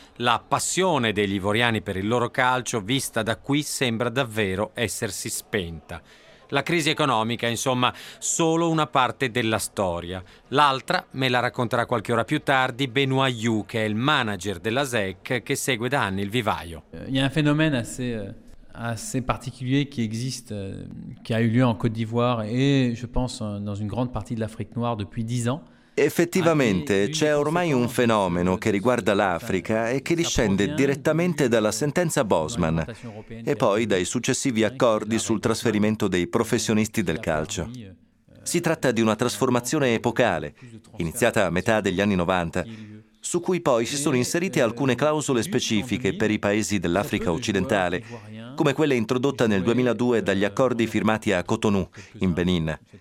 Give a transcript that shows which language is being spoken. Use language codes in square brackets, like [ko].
[it] La passione degli ivoriani per il loro calcio, vista da qui, sembra davvero essersi spenta. La crisi economica, insomma, solo una parte della storia. L'altra me la racconterà qualche ora più tardi Benoît Hu, che è il manager della ZEC che segue da anni il vivaio. [fr] Il y a un fenomeno assez particulier qui existe, qui a eu lieu en Côte d'Ivoire et je pense dans une grande partie de l'Afrique noire depuis 10 ans. [it] Effettivamente c'è ormai un fenomeno che riguarda l'Africa e che discende direttamente dalla sentenza Bosman e poi dai successivi accordi sul trasferimento dei professionisti del calcio. Si tratta di una trasformazione epocale, iniziata a metà degli anni 90, su cui poi si sono inserite alcune clausole specifiche per i paesi dell'Africa occidentale, come quella introdotta nel 2002 dagli accordi firmati a Cotonou, in Benin.